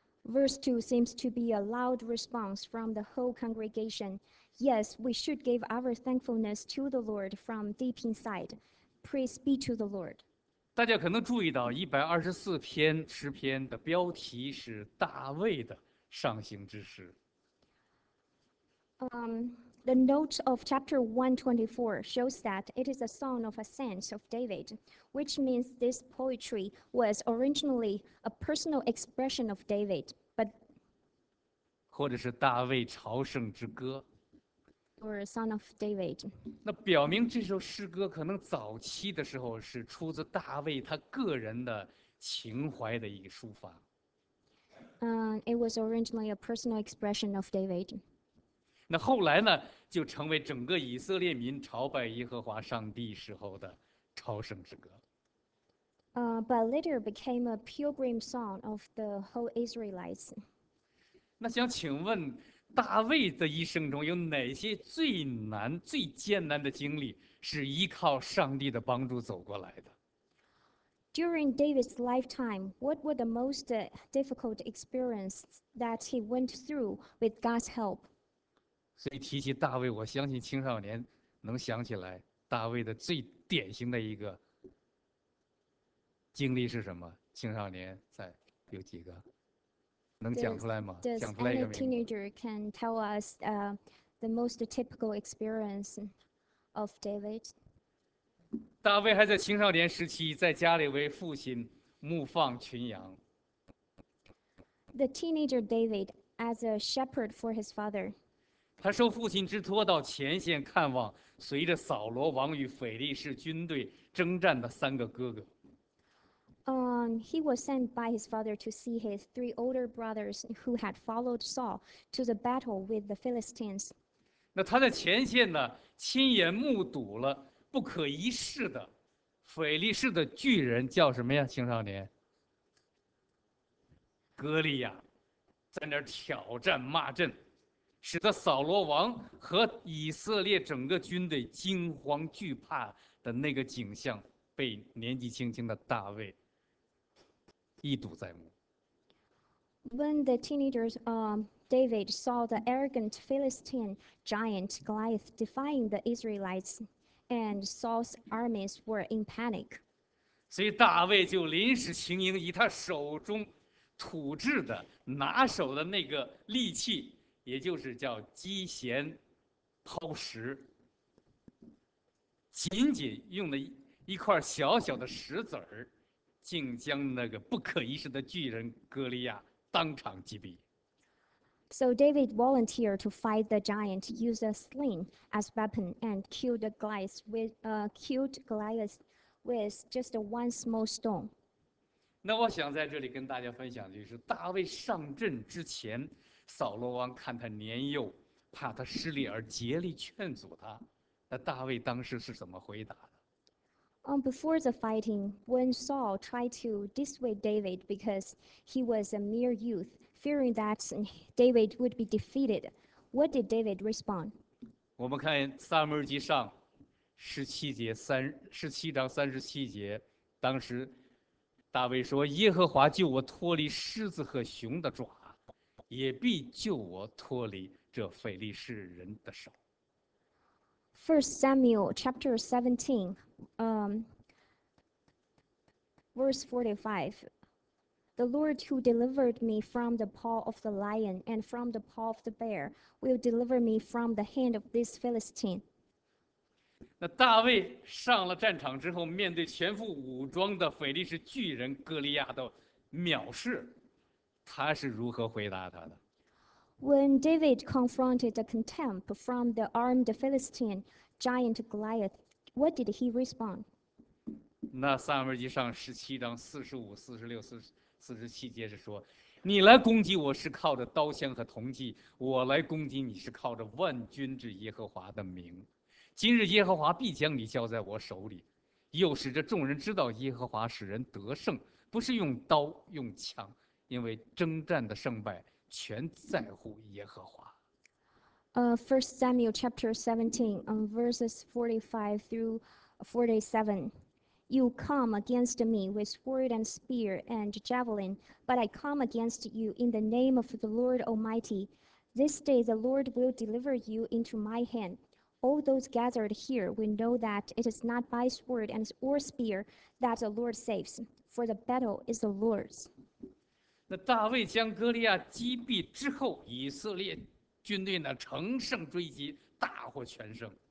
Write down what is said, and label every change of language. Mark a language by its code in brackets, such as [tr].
[en] Verse 2 seems to be a loud response from the whole congregation. Yes, we should give our thankfulness to the Lord from deep inside. Praise be to the Lord. [zh] 大家可能注意到124篇诗篇的标题是大卫的上行之诗。 [en] The note of chapter 124 shows that it is a song of ascent of David, which means this poetry was originally a personal expression of David, but [zh] 或者是大卫朝圣之歌 [en] or a song of David. [zh] 那表明这首诗歌可能早期的时候是出自大卫他个人的情怀的一个抒发。 [en] It was originally a personal expression of David. [zh] 那后来呢，就成为整个以色列民朝拜耶和华上帝时候的朝圣之歌。 [en] But later became a pilgrim song of the whole Israelites. [zh] 那想请问，大卫的一生中有哪些最难、最艰难的经历是依靠上帝的帮助走过来的？ [en] During David's lifetime, what were the most difficult experiences that he went through with God's help? [zh] 所以提起大卫，我相信青少年能想起来大卫的最典型的一个经历是什么？青少年在有几个能讲出来吗？讲出来一个名字。 [en] Any teenager can tell us the most typical experience of David? [zh] 大卫还在青少年时期，在家里为父亲牧放群羊。 [en] The teenager David as a shepherd for his father. [zh] 他受父亲之托到前线看望，随着扫罗王与腓力士军队征战的三个哥哥。 [en] He was sent by his father to see his three older brothers who had followed Saul to the battle with the Philistines. [zh] 那他在前线呢，亲眼目睹了。不可一世的腓力士的巨人叫什么呀？青少年，歌利亚在那儿挑战骂阵，使得扫罗王和以色列整个军队惊慌惧怕的那个景象被年纪轻轻的大卫一睹在目。 [en] When the teenagers, David saw the arrogant Philistine giant Goliath defying the Israelites. And Saul's armies were in panic. [zh] 所以大卫就临时情营，以他手中土制的拿手的那个利器，也就是叫击弦抛石，仅仅用了一块小小的石子儿，竟将那个不可一世的巨人歌利亚当场击毙。 [en] So David volunteered to fight the giant, used a sling as weapon, and killed Goliath with, just one small stone. [zh] 那我想在这里跟大家分享的就是，大卫上阵之前，扫罗王看他年幼，怕他失利而竭力劝阻他。那大卫当时是怎么回答的？ [en] Before the fighting, when Saul tried to dissuade David because he was a mere youth,Fearing that David would be defeated, what did David respond? [zh] 我们看撒母耳记上17章37节，当时大卫说：“耶和华救我脱离狮子和熊的爪，也必救我脱离这腓力士人的手。 [en] First Samuel chapter 17, verse 45. The Lord who delivered me from the paw of the lion and from the paw of the bear will deliver me from the hand of this Philistine. [zh] 那大卫上了战场之后，面对全副武装的腓力士巨人歌利亚的藐视，他是如何回答他的？ [en] When David confronted the contempt from the armed Philistine giant Goliath, what did he respond? [zh] 那撒母耳记上十七章四十五、四十六、四十七节是说，你来攻击我是靠着刀枪和铜戟，我来攻击你是靠着万军之耶和华的名。今日耶和华必将你交在我手里，又使这众人知道耶和华使人得胜，不是用刀用枪，因为征战的胜败全在乎耶和华。 [en] First Samuel chapter 17, verses 45 through 47. You come against me with sword and spear and javelin, but I come against you in the name of the Lord Almighty. This day the Lord will deliver you into my hand. All those gathered here will know that it is not by sword and or spear that the Lord saves, for the battle is the Lord's. [zh] 那大卫将歌利亚击毙之后，以色列军队呢乘胜追击，大获全胜。